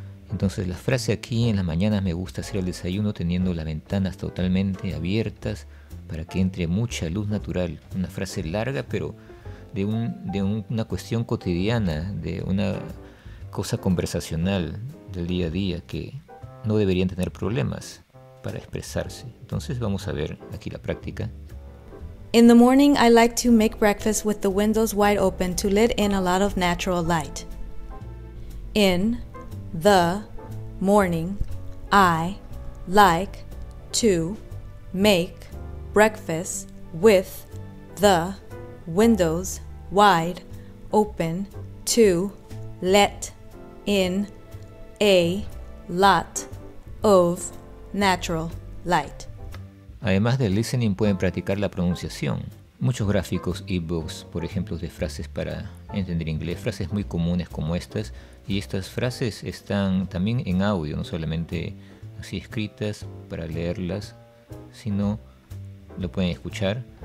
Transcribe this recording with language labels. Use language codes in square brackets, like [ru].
[es] Entonces la frase aquí: en las mañanas me gusta hacer el desayuno teniendo las ventanas totalmente abiertas para que entre mucha luz natural. Una frase larga, pero de una cuestión cotidiana, de una cosa conversacional del día a día, que no deberían tener problemas para expresarse. Entonces vamos a ver aquí la práctica. [en] In the morning, I like to make breakfast with the windows wide open to let in a lot of natural light. In the morning, I like to make breakfast with the windows wide open to let in a lot of natural light. [es] Además del listening, pueden practicar la pronunciación. Muchos gráficos, ebooks, por ejemplo, de frases para entender inglés, frases muy comunes como estas. Y estas frases están también en audio, no solamente así escritas para leerlas, sino lo pueden escuchar.